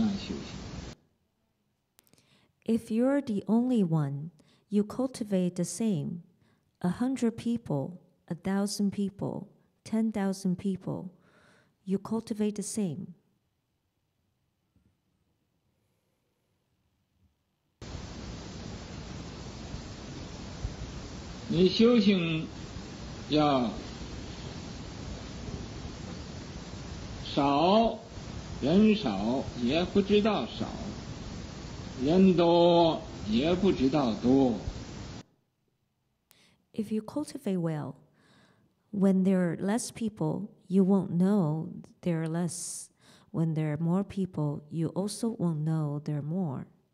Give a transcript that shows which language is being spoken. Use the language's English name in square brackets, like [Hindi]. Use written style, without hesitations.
[Chinese] 你就一个人也一样修行，一百个人、一千个人、一万个人也是一样修行。 [English] If you're the only one, you cultivate the same. 100 people, 1,000 people, 10,000 people, you cultivate the same. [Chinese] 你修行要少，人少也不知道少，人多也不知道多。 [English] If you cultivate well, when there are less people, you won't know there are less. When there are more people, you also won't know there are more.